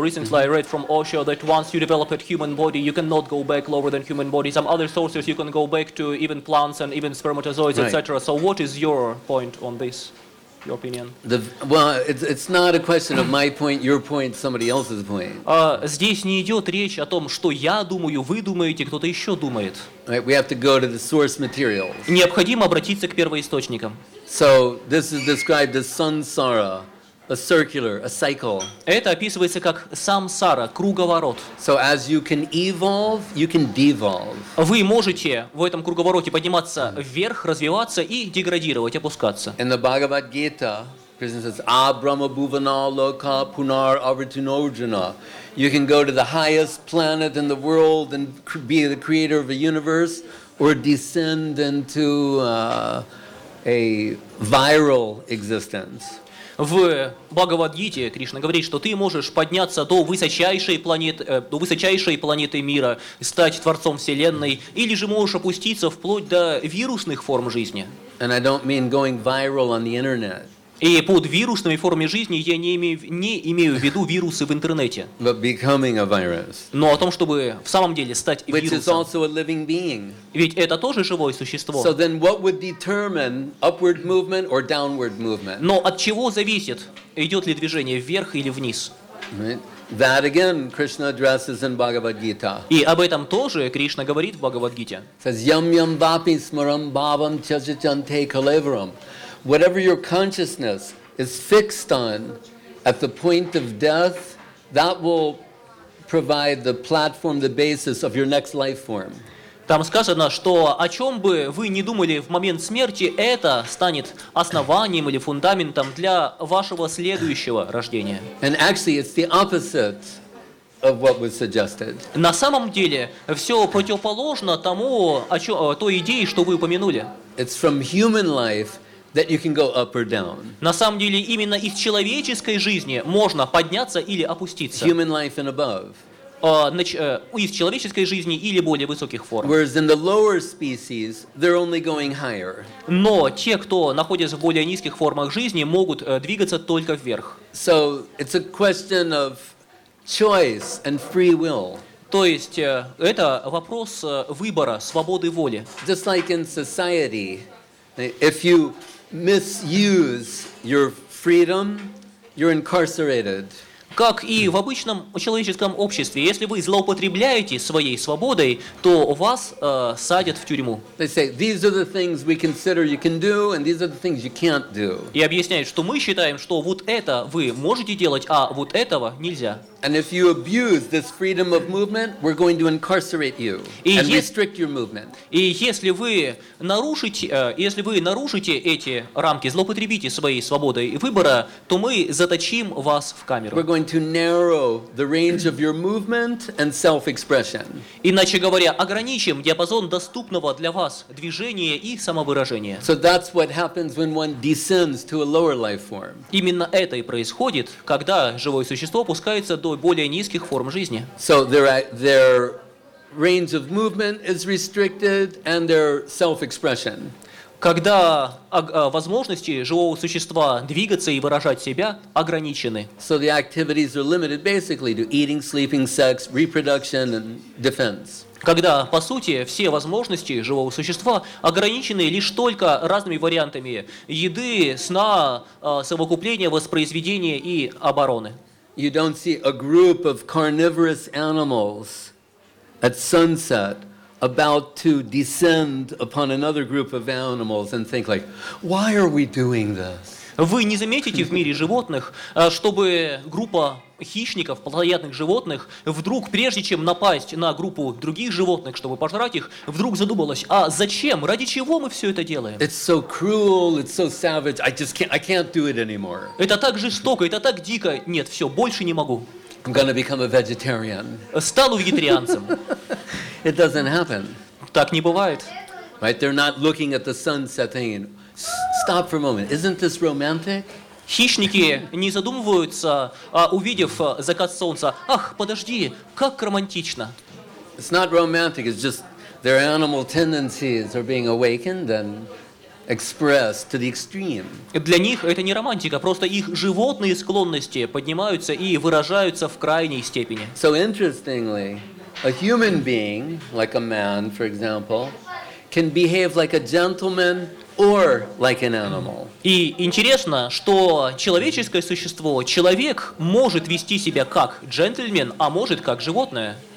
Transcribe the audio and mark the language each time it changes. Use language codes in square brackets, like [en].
[en] Recently I read from Osho that once you develop a human body, you cannot go back lower than human body. Some other sources you can go back to even plants and even spermatozoids, etc. So what is your point on this, your opinion? It's not a question of my point, your point, somebody else's point. [ru] Здесь не идет речь о том, что я думаю, вы думаете, кто-то еще думает. [en] We have to go to the source materials. [ru] Необходимо обратиться к первоисточникам. [en] So this is described as samsara, a circular, a cycle. [ru] Это описывается как самсара, круговорот. [en] So as you can evolve, you can devolve. [ru] Вы можете в этом круговороте подниматься вверх, развиваться и деградировать, опускаться. [en] In the Bhagavad Gita, Krishna says, [sa] "Abrahma bhuvana loka punar avritunojana." [en] You can go to the highest planet in the world and be the creator of a universe, or descend into a viral existence. [ru] В Бхагавад-гите Кришна говорит, что ты можешь подняться до высочайшей планеты мира, стать творцом вселенной, или же можешь опуститься вплоть до вирусных форм жизни. [en] And I don't mean going viral on the internet. [ru] И под вирусными формами жизни я не имею в виду вирусы в интернете. [en] But becoming a virus. [ru] Но о том, чтобы в самом деле стать вирусом. [en] Which is also a living being. [ru] Ведь это тоже живое существо. [en] So then what would determine upward movement or downward movement? [ru] Но от чего зависит, идет ли движение вверх или вниз? [en] Right. That again Krishna addresses in Bhagavad Gita. [ru] И об этом тоже Кришна говорит в Бхагавад Гите. [en] Says [sa] yam yam vapi smaram bhavam chajajante kalevaram. [en] Whatever your consciousness is fixed on at the point of death, that will provide the platform, the basis of your next life form. [ru] Там сказано, что о чем бы вы ни думали в момент смерти, это станет основанием или фундаментом для вашего следующего рождения. [en] And actually, it's the opposite of what was suggested. [ru] На самом деле, все противоположно тому, той идее, что вы упомянули. [en] It's from human life that you can go up or down. [ru] На самом деле, именно из человеческой жизни можно подняться или опуститься. [en] Human life and above. [ru] Из человеческой жизни или более высоких форм. [en] Whereas in the lower species, they're only going higher. [ru] Но те, кто находится в более низких формах жизни, могут двигаться только вверх. [en] So it's a question of choice and free will. [ru] То есть это вопрос выбора, свободы воли. [en] Just like in society, if you misuse your freedom, you're incarcerated. [ru] Как и в обычном человеческом обществе, если вы злоупотребляете своей свободой, то вас садят в тюрьму. [en] They say, these are the things we consider you can do, and these are the things you can't do. [ru] И объясняют, что мы считаем, что вот это вы можете делать, а вот этого нельзя. [en] And if you abuse this freedom of movement, we're going to incarcerate you and restrict your movement. [ru] И если вы нарушите эти рамки, злоупотребите своей свободой выбора, то мы заточим вас в камеру. [en] We're going to narrow the range of your movement and self-expression. [ru] Иначе говоря, ограничим диапазон доступного для вас движения и самовыражения. [en] So that's what happens when one descends to a lower life form. [ru] Именно это и происходит, когда живое существо опускается до более низких форм жизни. [en] So their range of movement is restricted and their self-expression. [ru] Когда возможности живого существа двигаться и выражать себя ограничены. [en] So the activities are limited basically to eating, sleeping, sex, reproduction and defense. [ru] Когда, по сути, все возможности живого существа ограничены лишь только разными вариантами еды, сна, совокупления, воспроизведения и обороны. [en] You don't see a group of carnivorous animals at sunset about to descend upon another group of animals and think like, why are we doing this? [ru] Вы не заметите в мире животных, чтобы группа хищников, плотоядных животных, вдруг, прежде чем напасть на группу других животных, чтобы пожрать их, вдруг задумалась, а зачем, ради чего мы все это делаем? [en] It's so cruel, it's so savage, I can't do it anymore. [ru] Это так жестоко, это так дико, нет, все, больше не могу. [en] I'm gonna become a vegetarian. [ru] Стану вегетарианцем. [en] It doesn't happen. [ru] Так не бывает. [en] Right, they're not looking at the sunset thing. Stop for a moment, isn't this romantic? [ru] Хищники не задумываются, увидев закат солнца. Ах, подожди, как романтично. [en] It's not romantic, it's just their animal tendencies are being awakened and expressed to the extreme. [ru] Для них это не романтика, просто их животные склонности поднимаются и выражаются в крайней степени. [en] So interestingly, a human being, like a man, for example, can behave like a gentleman or like an animal. [ru] И интересно, что человеческое существо, человек, может вести себя как джентльмен, а может как животное.